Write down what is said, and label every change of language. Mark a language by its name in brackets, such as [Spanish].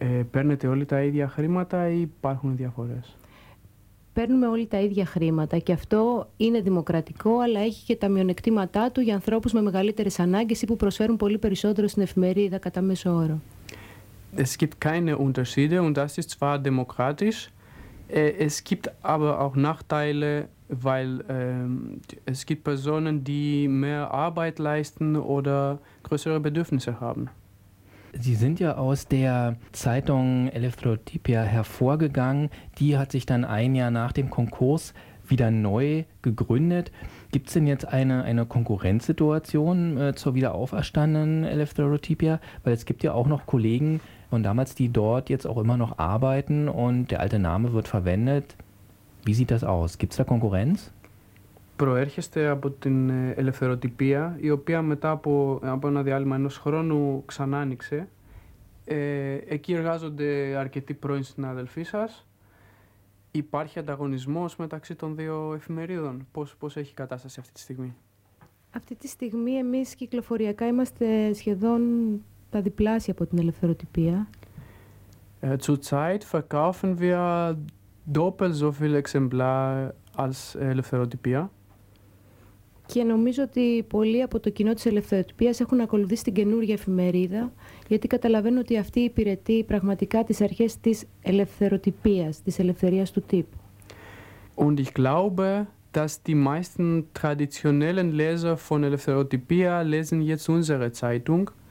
[Greek] Παίρνετε όλοι τα ίδια χρήματα ή υπάρχουν διαφορές? Παίρνουμε όλοι τα ίδια χρήματα και αυτό είναι δημοκρατικό, αλλά έχει και τα μειονεκτήματά του για ανθρώπους με μεγαλύτερες ανάγκες ή που προσφέρουν πολύ περισσότερο στην εφημερίδα κατά μέσο όρο. [German] Es gibt keine Unterschiede und das ist zwar demokratisch. Es gibt aber auch Nachteile, weil es gibt Personen, die mehr Arbeit leisten oder größere Bedürfnisse haben. Sie sind ja aus der Zeitung Elefrotipia hervorgegangen. Die hat sich dann ein Jahr nach dem Konkurs wieder neu gegründet. Gibt es denn jetzt eine Konkurrenzsituation zur wiederauferstandenen Elefrotipia? Weil es gibt ja auch noch Kollegen von damals, die dort jetzt auch immer noch arbeiten und der alte Name wird verwendet. Wie sieht das aus? Gibt es da Konkurrenz? [Greek] Προέρχεστε από την Ελευθεροτυπία, η οποία μετά από ένα διάλειμμα ενός χρόνου ξανά άνοιξε. Εκεί εργάζονται αρκετοί πρώην συναδελφοί σας. Υπάρχει ανταγωνισμός μεταξύ των δύο εφημερίδων? Πώς έχει η κατάσταση αυτή τη στιγμή? Αυτή τη στιγμή εμείς κυκλοφοριακά είμαστε σχεδόν τα διπλάσια από την Ελευθεροτυπία. [German] Zurzeit verkaufen wir doppelt so viele Exemplare als Ελευθεροτυπία. [Greek] Και νομίζω ότι πολλοί από το κοινό της Ελευθεροτυπίας έχουν ακολουθήσει την καινούργια εφημερίδα, γιατί καταλαβαίνω ότι αυτή υπηρετεί πραγματικά τις αρχές της ελευθεροτυπίας, της ελευθερίας του τύπου. [German] Und ich glaube, dass die meisten traditionellen Leser von Ελευθεροτυπία lesen jetzt unsere Zeitung.